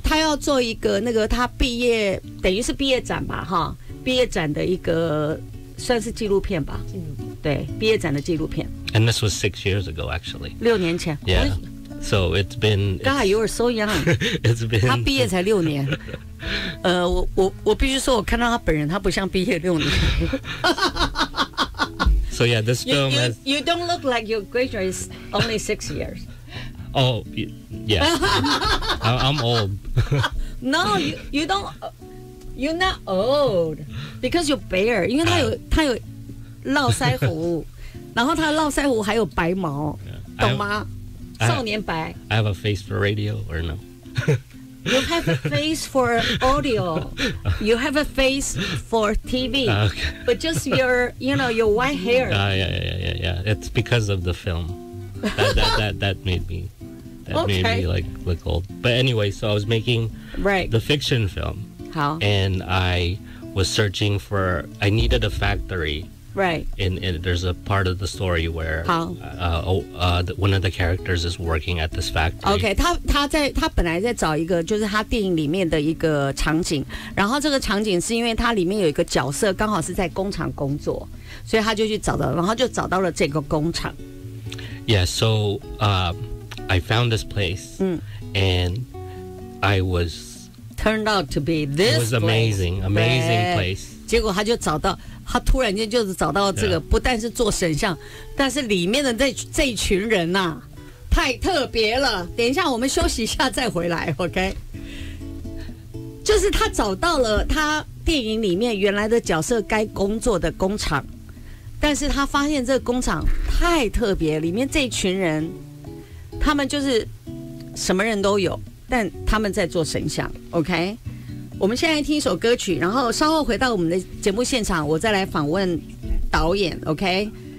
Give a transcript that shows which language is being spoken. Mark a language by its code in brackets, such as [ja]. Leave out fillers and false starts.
[zh] 他要做一个那个他毕业等于是毕业展吧，哈，毕业展的一个算是纪录片吧。对，毕业展的纪录片。 [en] And this was 6 years ago, actually. [zh] 六年前。 [en] Yeah. So it's been. God, you are so young. It's been. [zh] 他毕业才六年。我必须说，我看到他本人，他不像毕业六年。 [en] So yeah, this film is... You don't look like your graduate is only 6 years. Oh, yeah. I'm old. No, you don't... You're not old. Because you're bare. Because he has [zh] 络腮胡 然后他络腮胡还有白毛 懂吗?少年白 [en] I have a face for radio or no? You have a face for audio. You have a face for TV. Okay. But just your, you know, your white hair. Yeah. It's because of the film. That made me like look old. But anyway, so I was making the fiction film. How? And I was searching for, I needed a factory. Right. And there's a part of the story where one of the characters is working at this factory. [zh] Okay, 他本来在找一个就是他电影里面的一个场景，然后这个场景是因为他里面有一个角色刚好是在工厂工作，所以他就去找到，然后就找到了这个工厂。 [en] Yeah, so I found this place and I was... Turned out to be this place. It was amazing place. [zh] 结果他就找到他突然间就是找到这个、yeah. 不但是做神像但是里面的这群人啊太特别了等一下我们休息一下再回来 OK 就是他找到了他电影里面原来的角色该工作的工厂但是他发现这个工厂太特别里面这群人他们就是什么人都有但他们在做神像 OK我们现在听一首歌曲然后稍后回到我们的节目现场我再来访问导演 OK